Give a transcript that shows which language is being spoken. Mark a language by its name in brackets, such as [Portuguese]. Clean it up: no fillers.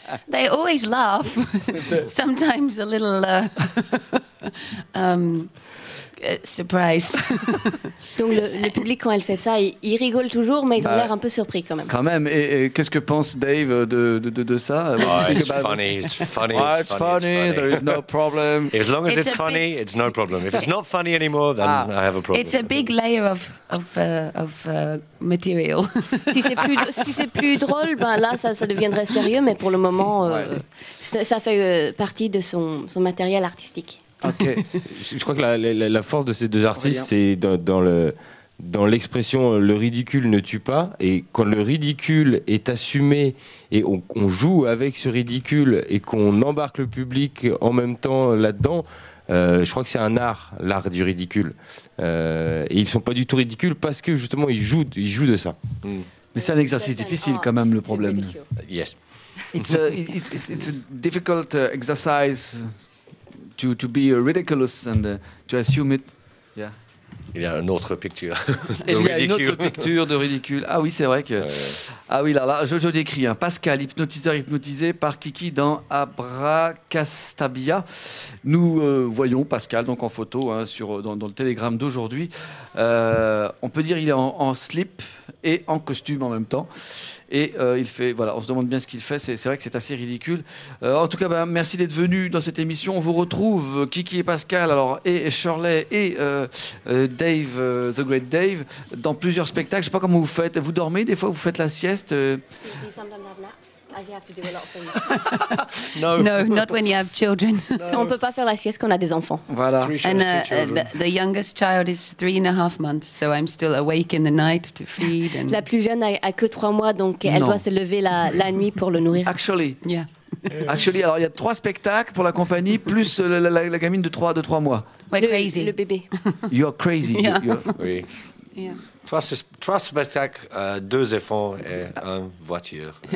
[English] They always laugh. Sometimes a little... surprised. [French] Donc le public, quand elle fait ça, ils rigolent toujours, mais ils ont l'air un peu surpris quand même. Quand même. Et qu'est-ce que pense Dave de ça? [English] It's funny. There is no problem. As long as it's funny, it's no problem. If it's not funny anymore, then I have a problem. It's a big layer of material. [French] si c'est plus drôle, ben là, ça deviendrait sérieux. Mais pour le moment, ça fait partie de son matériel artistique. Ok. Je crois que la force de ces deux artistes, c'est dans l'expression « le ridicule ne tue pas ». Et quand le ridicule est assumé et on joue avec ce ridicule et qu'on embarque le public en même temps là-dedans, je crois que c'est un art, l'art du ridicule. Et ils ne sont pas du tout ridicules parce que justement, ils jouent de ça. Mm. Mais c'est un exercice difficile quand même, le problème. [English] Yes. It's a difficult exercise to be ridiculous and to assume it. Yeah. [French] Il y a une autre picture. Il y a une autre picture de ridicule. Ah oui, c'est vrai que. Ouais. Ah oui, là, je décris. Hein. Pascal, hypnotiseur hypnotisé par Kiki dans Abracastabia. Nous voyons Pascal donc en photo hein, dans le télégramme d'aujourd'hui. On peut dire qu'il est en slip et en costume en même temps. Et il fait, voilà, on se demande bien ce qu'il fait. C'est vrai que c'est assez ridicule. En tout cas, ben, merci d'être venu dans cette émission. On vous retrouve, Kiki et Pascal, alors, et Shirley et Dave, The Great Dave, dans plusieurs spectacles. Je ne sais pas comment vous faites. Vous dormez des fois, vous faites la sieste [English] As you have to do a lot of things. No, not when you have children. No. [French] On peut pas faire la sieste quand on a des enfants. Voilà. [English] And the youngest child is 3.5 months, so I'm still awake in the night to feed. And [French] la plus jeune a que 3 mois, donc elle doit se lever la nuit pour le nourrir. [English] Actually. Yeah. [French] Actually, alors il y a 3 spectacles pour la compagnie, plus la gamine de 3 mois. [English] We're crazy. [French] Le bébé. [English] You're crazy. Yeah. [French] Trois spectacles, 2 enfants et 1 voiture.